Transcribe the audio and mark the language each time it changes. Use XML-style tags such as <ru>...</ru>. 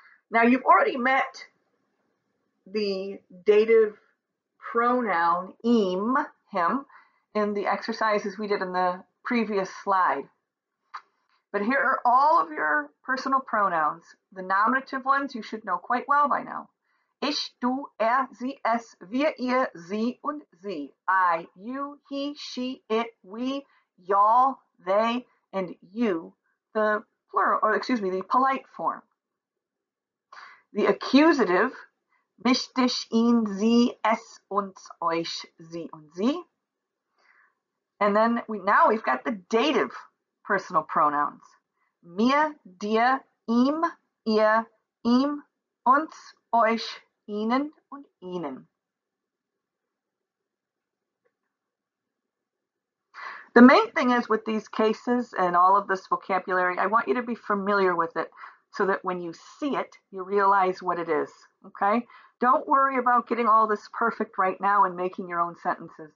<en>Now you've already met the dative pronoun im, him, in the exercises we did in the previous slide. But here are all of your personal pronouns. The nominative ones you should know quite well by now.</en> <de>Ich, du, sie, es, wir, ihr, sie und sie.</de> <en>I, you, he, she, it, we, y'all, they, and you. The plural, or excuse me, the polite form.</en> <de>The accusative, mich, dich, ihn, sie, es, uns, euch, sie und sie.</de> <en>And then now we've got the dative personal pronouns.</en> <de>Mir, dir, ihm, ihr, ihm, uns, euch, ihnen und ihnen.</de> <en>The main thing is with these cases and all of this vocabulary, I want you to be familiar with it so that when you see it, you realize what it is. Okay? Don't worry about getting all this perfect right now and making your own sentences.</en>